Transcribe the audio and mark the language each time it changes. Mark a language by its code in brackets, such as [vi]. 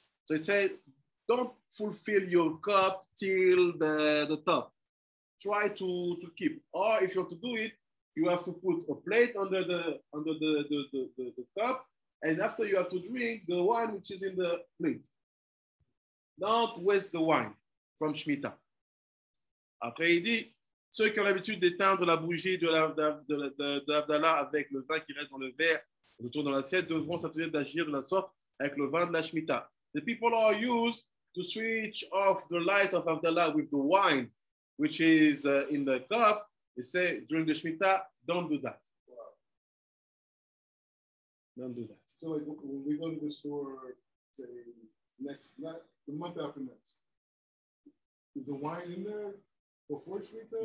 [en] So he said, don't fulfill your cup till the top. Try to keep. Or if you have to do it, you have to put a plate under the cup, and after you have to drink the wine which is in the plate. Don't waste the wine from Shemitah. [fr] Après il dit, ceux qui ont l'habitude d'éteindre la bougie de Havdalah avec le vin qui reste dans le verre, retour dans l'assiette, devront s'abstenir d'agir de la sorte avec le vin de la Shemitah. [en] The people are used to switch off the light of Abdullah with the wine, which is in the cup. They say during the Shemitah, don't do that. Don't do that. So like when we go to the store, say the month after next, is the wine in there before Shemitah?